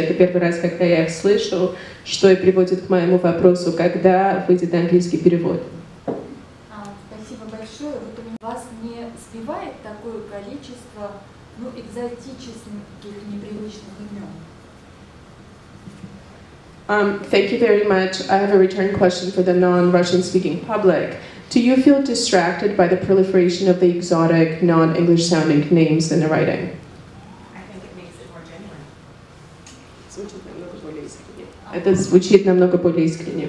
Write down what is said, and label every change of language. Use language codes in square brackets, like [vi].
[ru] Это первый раз, когда я их слышу, что и приводит к моему вопросу, когда выйдет английский перевод. Спасибо большое. Вот у вас не сбивает такое количество экзотических непривычных имен? [en] Thank you very much. I have a return question for the non-Russian speaking public. Do you feel distracted by the proliferation of the exotic, non-English sounding names in the writing? I think it makes it more genuine. [ru] Это звучит намного более искренне.